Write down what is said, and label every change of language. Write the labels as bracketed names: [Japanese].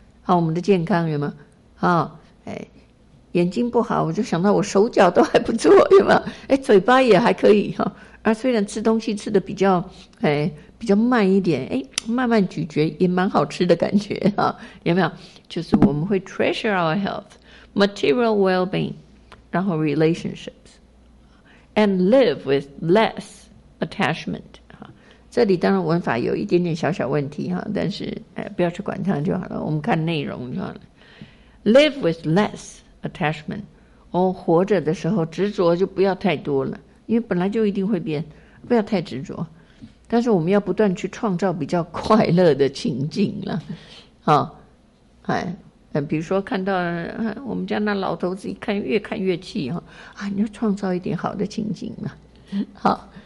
[Chinese] 好，我们的健康有吗？好、哦，哎，眼睛不好，我就想到我手脚都还不错，有吗？哎，嘴巴也还可以哈、哦。啊，虽然吃东西吃的比较，哎，比较慢一点，哎，慢慢咀嚼也蛮好吃的感觉哈、哦。有没有？就是我们会 [English] treasure our health, material well-being, [Chinese] 然后 [English] relationships, and live with less attachment. [Chinese] 这里当然文法有一点点小小问题哈，但是、不要去管它就好了，我们看内容就好了。 [English] Live with less attachment， [Chinese] 哦，活着的时候执着就不要太多了，因为本来就一定会变，不要太执着。但是我们要不断去创造比较快乐的情境了，啊，哎，比如说看到、我们家那老头子一看越看越气哈，啊，你就创造一点好的情境嘛，好。